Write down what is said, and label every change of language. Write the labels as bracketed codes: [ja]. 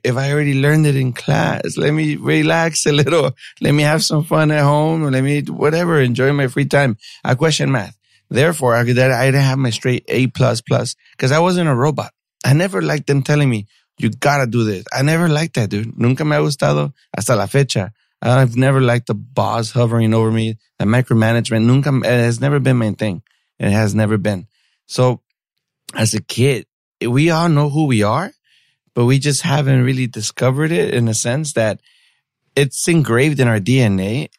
[en] If I already learned it in class, let me relax a little. Let me have some fun at home. Or let me whatever, enjoy my free time. I questioned math. Therefore, I didn't have my straight A++ because I wasn't a robot. I never liked them telling me, you gotta do this. I never liked that, dude. [es] Nunca me ha gustado hasta la fecha. [en] I've never liked the boss hovering over me, the micromanagement. [es] Nunca, [en] it has never been my thing. It has never been. So as a kid, we all know who we are, but we just haven't really discovered it in a sense that it's engraved in our DNA.